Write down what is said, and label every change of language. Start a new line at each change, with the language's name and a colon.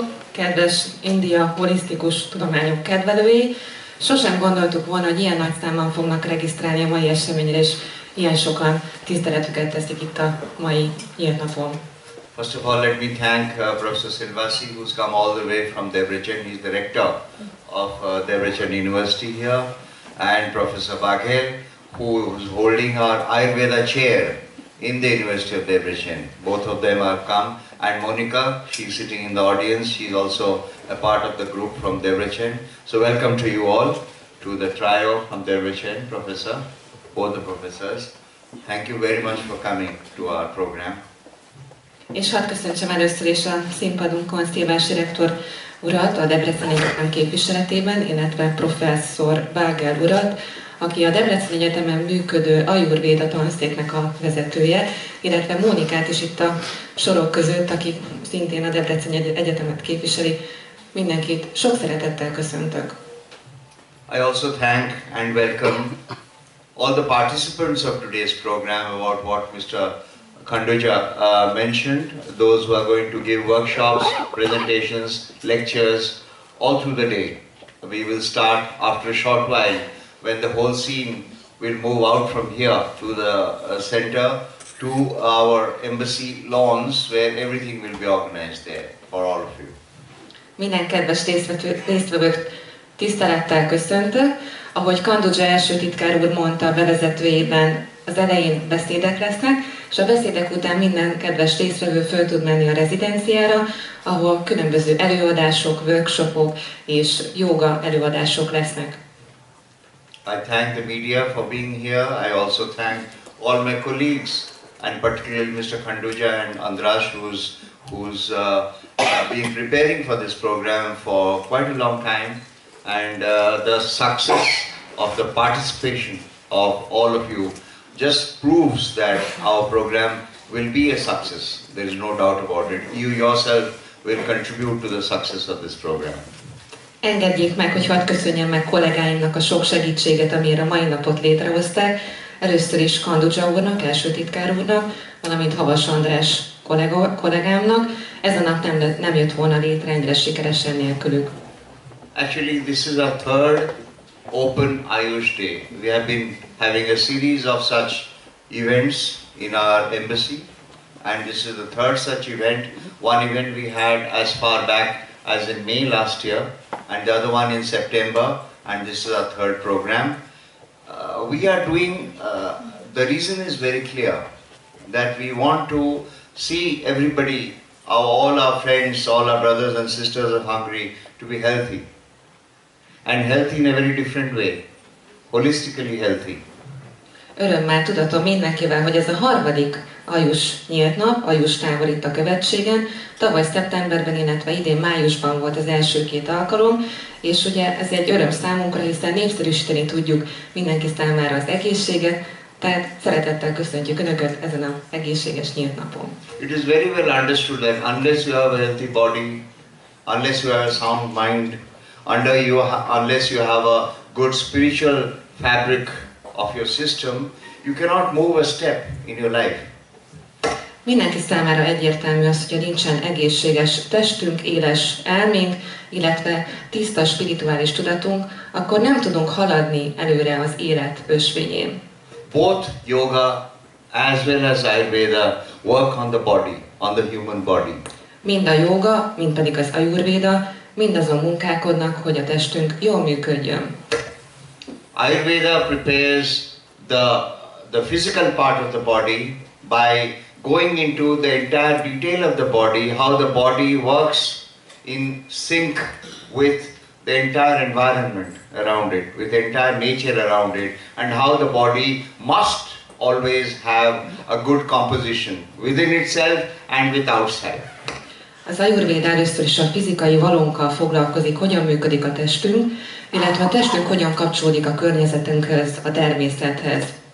Hungarian: Kedves India holisztikus tudományok kedvelői, sosem gondoltuk volna, hogy ilyen nagy számban fognak regisztrálni a mai eseményre, és ilyen sokan tiszteletüket teszik itt a mai ilyen napon.
English: First of all, let me thank Professor Szilvássy, who's come all the way from Debrecen. He's the rector of Debrecen University here, and Professor Baghel, who is holding our Ayurveda chair in the University of Debrecen. Both of them have come and Monica. She's sitting in the audience. She's also a part of the group from Debrecen. So welcome to you all, to the trio from Debrecen, Professor, both the professors. Thank you very much for coming to our program.
Hungarian: És hadd köszöntsem először is a színpadunkon Szilvássy rektor urat, a Debrecen Egyetem képviseletében, illetve professzor Baghel urat, aki a Debrecen Egyetemen működő Ayurveda tanszéknek a vezetője, illetve Mónikát is itt a sorok között, aki szintén a Debrecen Egyetemet képviseli. Mindenkit sok szeretettel köszöntök.
English: I also thank and welcome all the participants of today's program about what Mr. Khanduja mentioned, those who are going to give workshops, presentations, lectures all through the day. We will start after a short while when the whole scene will move out from here to the center to our embassy lawns where everything will be organized there for all of you.
Hungarian: Minden kedves résztvevőt tisztelettel köszöntök. Ahogy Khanduja első titkár úr mondta, bevezetőjében az elején beszédek lesznek, és a beszédek után minden kedves résztvevő föl tud menni a rezidenciára, ahol különböző előadások, workshopok és jóga előadások lesznek.
English: I thank the media for being here. I also thank all my colleagues, and particularly Mr. Khanduja and András, who's been preparing for this program for quite a long time, and the success of the participation of all of you just proves that our program will be a success. There is no doubt about it. You yourself will contribute to the success of this program.
Hungarian: Engedjék meg, hogy hadd köszönjem meg kollégáimnak a sok segítséget, amire a mai napot létrehozták. Először is Khanduja úrnak, első titkár úrnak, valamint Havas András kollégámnak. Ez a nap nem jött volna létre ennyire sikeresen nélkülük.
English: Actually, this is our third open Ayush Day. We have been having a series of such events in our embassy, and this is the third such event. One event we had as far back as in May last year, and the other one in September, and this is our third program. We are doing, the reason is very clear, that we want to see everybody, all our friends, all our brothers and sisters of Hungary, to be healthy. And healthy in a very different way, holistically healthy.
Hungarian: Örömmel tudatom mindenkivel, hogy ez a harmadik Ayush nyílt nap, Ayush tábor itt a követségen. Tavaly szeptemberben, illetve idén májusban volt az első két alkalom, és ugye ez egy öröm számunkra, hiszen népszerűsíteni tudjuk mindenki számára az egészséget, tehát szeretettel köszöntjük Önöket ezen a egészséges nyílt napon.
English: It is very well understood that unless you have a healthy body, unless you have a sound mind, unless you have a good spiritual fabric of your system, you cannot move a step in your life.
Hungarian: Mindenki számára egyértelmű az, hogy nincsen egészséges testünk, éles elménk, illetve tiszta spirituális tudatunk, akkor nem tudunk haladni előre az élet ösvényén.
English: Both yoga as well as Ayurveda work on the body, on the human body.
Hungarian: Mind a yoga, mind pedig az Ayurveda mindazon munkálkodnak, hogy a testünk jól működjön.
English: Ayurveda prepares the physical part of the body by going into the entire detail of the body, how the body works in sync with the entire environment around it, with the entire nature around it, and how the body must always have a good composition within itself and with outside.
Hungarian: Az Ayurveda először is a fizikai valónkkal foglalkozik, hogyan működik a testünk, illetve a testünk hogyan kapcsolódik a környezetünkhöz, a természethez.